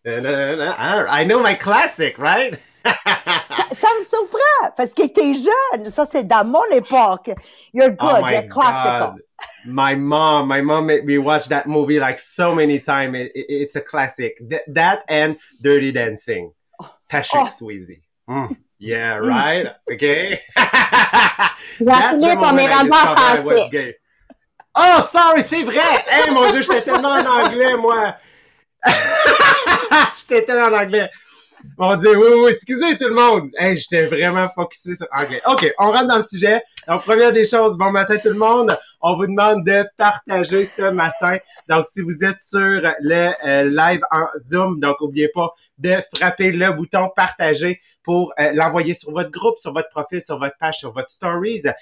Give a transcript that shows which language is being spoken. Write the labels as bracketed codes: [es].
[en] Na, na, na, na. I know my classic, right? [fr] ça me surprend, parce que t'es jeune. Ça, c'est dans mon époque. [en] You're good, oh, you're classical. God. My mom made me watch that movie like so many times. It's a classic. That and Dirty Dancing. Patrick Swayze. Mm. Yeah, right? Okay. That's the moment I discovered I was gay. Oh, sorry, [fr] c'est vrai! Hey, mon Dieu, j'étais tellement en anglais, moi! J'étais tellement en anglais! Mon Dieu, oui, excusez tout le monde! Hey, j'étais vraiment focusé sur anglais. Ok, on rentre dans le sujet. Donc, première des choses, bon matin tout le monde. On vous demande de partager ce matin. Donc, si vous êtes sur le live en Zoom, donc n'oubliez pas de frapper le bouton partager pour l'envoyer sur votre groupe, sur votre profil, sur votre page, sur votre stories.